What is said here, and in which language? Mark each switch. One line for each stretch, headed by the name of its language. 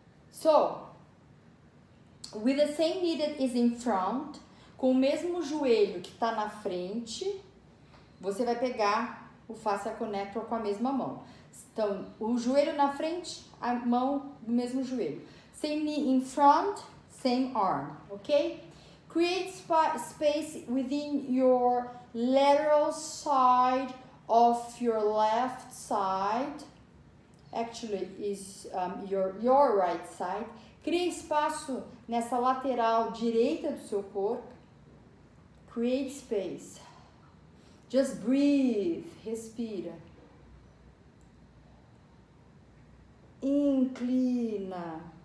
English: So, with the same knee that is in front,
Portuguese: com o mesmo joelho que tá na frente, você vai pegar o fascia connector com a mesma mão. Então, o joelho na frente, a mão do mesmo joelho.
English: Same knee in front, same arm, ok? Create space within your lateral side of your left side. Actually, is your right side.
Portuguese: Crie espaço nessa lateral direita do seu corpo.
English: Create space. Just breathe, respira.
Portuguese: Inclina.